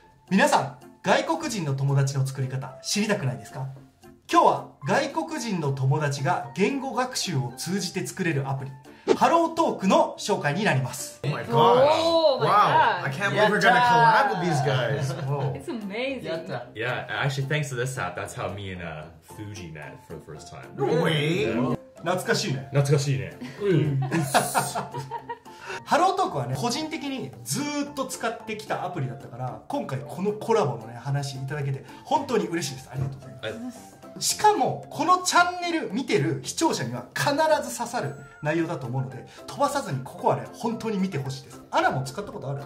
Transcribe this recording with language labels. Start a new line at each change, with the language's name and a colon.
Japanese: 皆さん、外国人の友達の作り方知りたくないですか？今日は外国人の友達が言語学習を通じて作れるアプリ、ハロートークの紹介になります。
English: Oh my gosh! Wow! I can't believe we're gonna collab with these guys. It's amazing. Yeah, actually, thanks to this app, that's how me and Fuji met for the first time. No way!
Japanese: 懐かしいね。懐かしいね。ハロートークはね、個人的にずーっと使ってきたアプリだったから、今回このコラボのね話いただけて本当に嬉しいです。ありがとうございます。しかもこのチャンネル見てる視聴者には必ず刺さる内容だと思うので、飛ばさずにここはね本当に見てほしいです。アナも使ったことある？